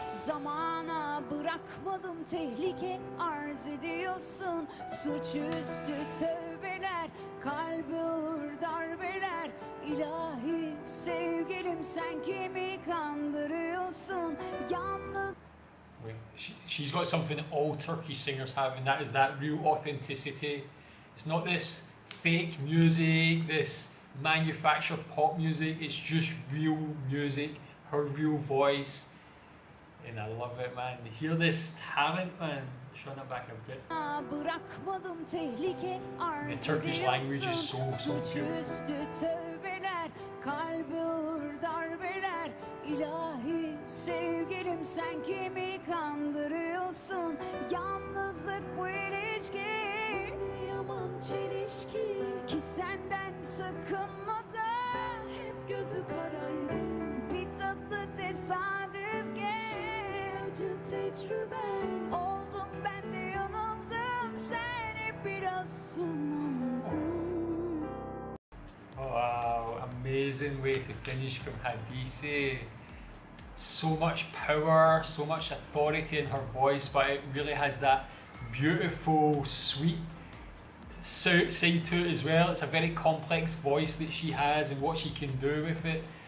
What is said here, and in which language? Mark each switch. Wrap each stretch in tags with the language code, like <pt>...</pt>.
<tr>Zamana bırakmadım, tehlike arz ediyorsun. Suçüstü tövbeler, kalbur darbeler. İlahi sevgilim, sen kimi kandırıyorsun? Yalnız...</tr> <en>Wait, she's got something all Turkish singers have, and that is that real authenticity. It's not this fake music, this manufactured pop music. It's just real music, her real voice, and I love it, man. Hear this talent, man. Shut it back a bit. The Turkish language is so beautiful.</en> <tr>Sevgilim, sen kimi kandırıyorsun? Yalnızlık bu ilişki, yaman çelişki. Ki senden sıkınmadı, hep gözü karaydı. Bir tatlı tesadüf ki, acı tecrübe. Oldum ben de yanıldım, sen hep biraz sunandın.</tr> <en>Wow, amazing way to finish from Hadise. So much power, so much authority in her voice, but it really has that beautiful, sweet side to it as well. It's a very complex voice that she has and what she can do with it.</en>